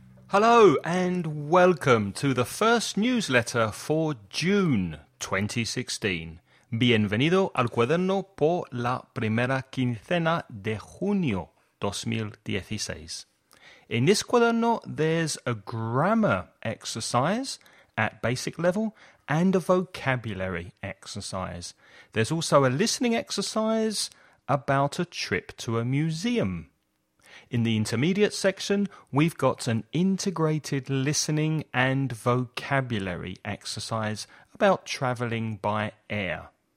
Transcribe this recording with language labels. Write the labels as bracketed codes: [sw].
[en] Hello and welcome to the first newsletter for June 2016. [es] Bienvenido al cuaderno por la primera quincena de junio 2016. [en] In this cuaderno, there's a grammar exercise at basic level and a vocabulary exercise. There's also a listening exercise about a trip to a museum. In the intermediate section, we've got an integrated listening and vocabulary exercise about travelling by air.